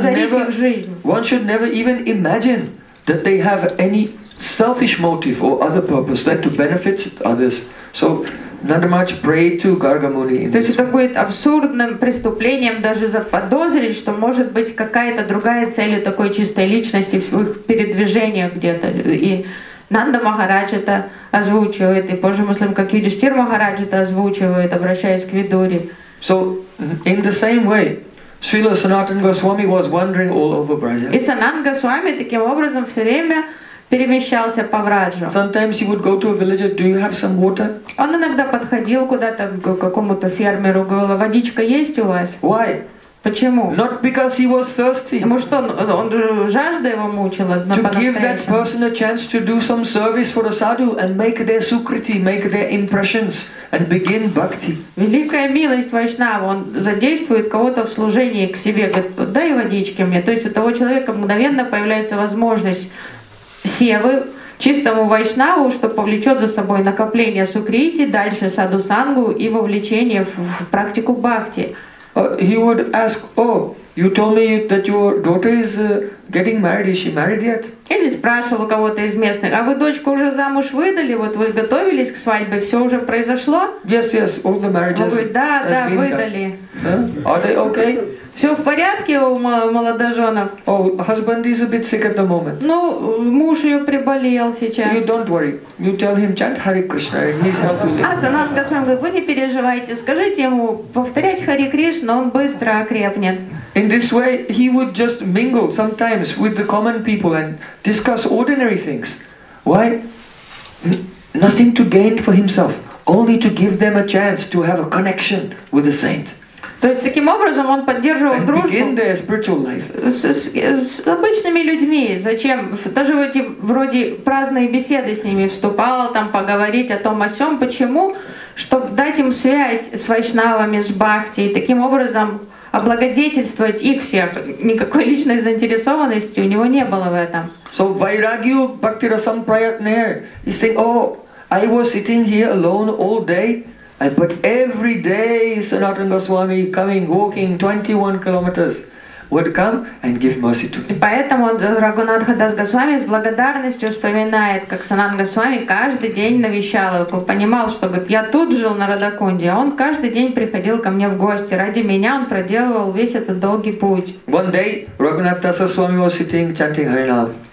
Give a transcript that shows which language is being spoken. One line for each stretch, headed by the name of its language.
English: One should never even imagine that they have any selfish motive or other purpose that to benefit others. So Nanda Maharaj prayed to Garga Muni.
Russian: То есть это будет абсурдным преступлением даже заподозрить, что может быть какая-то другая цель у такой чистой личности в их передвижениях где-то. И Нанда Махарадж это озвучивает, и позже мы слышим, как Юдхиштхира Махарадж это озвучивает, обращаясь к Видуре.
English: So in the same way, Srila Sanatana Goswami was wandering all over Braja.
Russian: И Сананда Госвами таким образом все время перемещался по Враджу.
English: Sometimes he would go to a villager, do you have some water?
Russian: Он иногда подходил куда-то к какому-то фермеру, говорил: водичка есть у вас?
English: Why?
Russian: Почему?
English: Not because he was thirsty.
Russian: Ему что, он жажда его мучила?
English: To give that person a chance to do some service for a sadhu and make their sukriti, make their impressions and begin bhakti.
Russian: Великая милость вайшнава, он задействует кого-то в служении к себе, говорит: дай водички мне. То есть у того человека мгновенно появляется возможность севы чистому вайшнаву, что повлечет за собой накопление сукрити, дальше саду сангу и вовлечение в практику бхакти.
English: He would ask, "Oh, you told me that your daughter is getting married. Is she married yet?"
Russian: Или спрашивал кого-то из местных: "А вы дочку уже замуж выдали? Вот вы готовились к свадьбе? Все уже произошло?"
English: Yes, yes, all the marriages.
Russian: Он говорит: "Да, да, выдали."
English: Huh? Are they okay?
Russian: Все в порядке у молодоженов.
English: Oh, husband is a bit sick at the moment.
Russian: Ну, муж ее приболел сейчас.
English: You don't worry. You tell him chant Hare Krishna and he's healthy.
Russian: А Санат Госвами говорит: вы не переживайте, скажите ему повторять Hare Krishna, он быстро окрепнет.
English: In this way, he would just mingle sometimes with the common people and discuss ordinary things. Why? Nothing to gain for himself, only to give them a chance to have a connection with the saint.
Russian: То есть таким образом он поддерживал дружбу с обычными людьми. Зачем? Даже в эти вроде праздные беседы с ними вступал, там поговорить о том, о сём. Почему? Чтобы дать им связь с вайшнавами, с бхакти, и таким образом облагодетельствовать их всех. Никакой личной заинтересованности у него не было в этом.
Sanskrit: So vairagyu bhakti rasam prayatne.
English: He said, oh, I was sitting here alone all day. But every day Sanatana Goswami coming, walking 21 kilometers would come and give mercy to me.
Russian: Поэтому Рагунатха Дас Госвами с благодарностью вспоминает, как Санатана Госвами каждый день навещал его. Понимал, что говорит, я тут жил на Радакунде, а он каждый день приходил ко мне в гости. Ради меня он проделывал весь этот долгий путь.
English: One day Рагунатха Дас Госвами was sitting chanting Харинам.